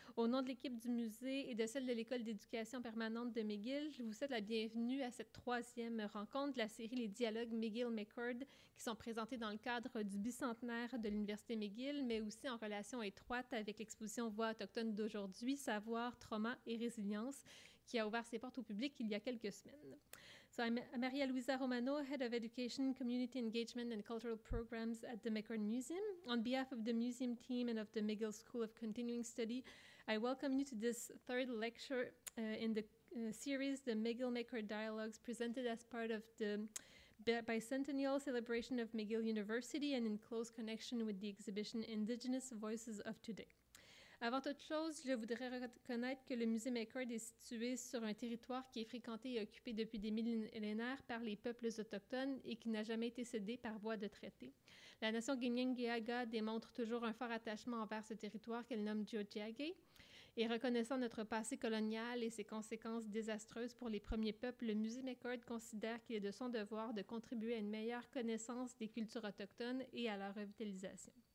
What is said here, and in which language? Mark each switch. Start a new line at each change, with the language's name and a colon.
French: Au nom de l'équipe du musée et de celle de l'École d'éducation permanente de McGill, je vous souhaite la bienvenue à cette troisième rencontre de la série Les dialogues McGill-McCord, qui sont présentés dans le cadre du bicentenaire de l'Université McGill, mais aussi en relation étroite avec l'exposition Voix autochtones d'aujourd'hui, Savoir, trauma et résilience, qui a ouvert ses portes au public il y a quelques semaines.
English: So I'm Maria-Louisa Romano, Head of Education, Community Engagement and Cultural Programs at the McCord Museum. On behalf of the museum team and of the McGill School of Continuing Study, I welcome you to this third lecture in the series, the McGill-McCord Dialogues, presented as part of the bicentennial celebration of McGill University and in close connection with the exhibition Indigenous Voices of Today.
French: Avant toute chose, je voudrais reconnaître que le musée McCord est situé sur un territoire qui est fréquenté et occupé depuis des millénaires par les peuples autochtones et qui n'a jamais été cédé par voie de traité. La nation Ginyingiaga démontre toujours un fort attachement envers ce territoire qu'elle nomme Jojiage et reconnaissant notre passé colonial et ses conséquences désastreuses pour les premiers peuples, le musée McCord considère qu'il est de son devoir de contribuer à une meilleure connaissance des cultures autochtones et à leur revitalisation.